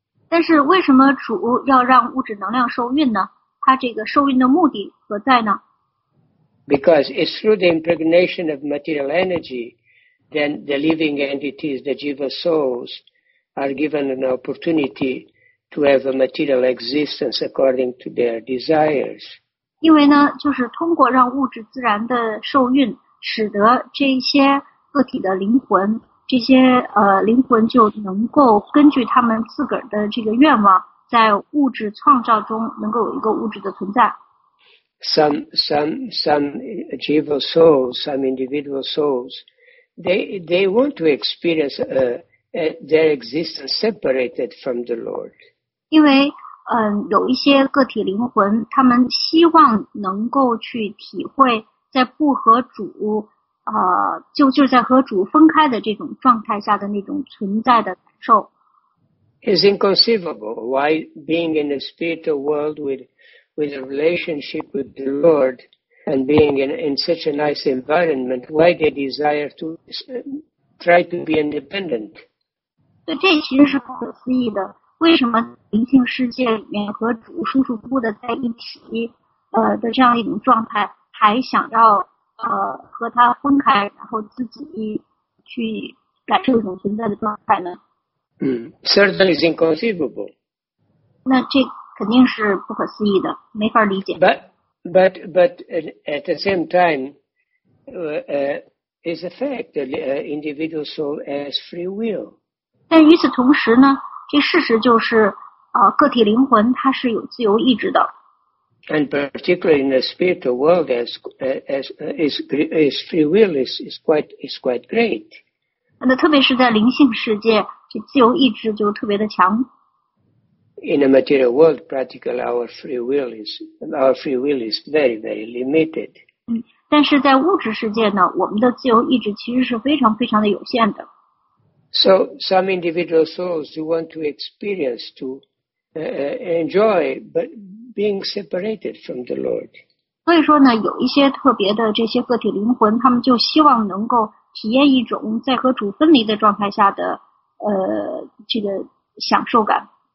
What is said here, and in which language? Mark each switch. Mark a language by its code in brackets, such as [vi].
[zh] 但是为什么主要让物质能量受孕呢？他这个受孕的目的何在呢？ [en] Because it's through the impregnation of material energy, then the living entities, the jiva souls, are given an opportunity to have a material existence according to their desires. [zh] 因为呢，就是通过让物质自然的受孕，使得这些个体的灵魂，这些灵魂就能够根据他们自个儿的这个愿望，在物质创造中能够有一个物质的存在。 [en] Some jiva souls, some individual souls, they want to experience their existence separated from the Lord. [zh] 因为有一些个体灵魂，他们希望能够去体会在不和主就在和主分开的这种状态下的那种存在的感受。 [en] It's inconceivable why being in a spiritual world with a relationship with the Lord and being in such a nice environment, why they desire to try to be independent? [zh] 对，这其实是不可思议的。为什么灵性世界里面和主舒舒服服的在一起的这样一种状态，还想要和他分开，然后自己去感受一种存在的状态呢？ [en] Certainly is inconceivable. [zh] 那这肯定是不可思议的，没法理解。 [en] But at the same time, is a fact that individual soul has free will. [zh] 但与此同时呢，这事实就是个体灵魂它是有自由意志的。 [en] And particularly in the spiritual world, as free will is quite great. [zh] 那特别是在灵性世界，这自由意志就特别的强。 [en] In a material world, practically our free will is very, very limited. [zh] 但是在物质世界呢，我们的自由意志其实是非常非常的有限的。 [en] So some individual souls who want to experience to enjoy, but being separated from the Lord. [zh] 所以说呢，有一些特别的这些个体灵魂，他们就希望能够体验一种在和主分离的状态下的这个享受感。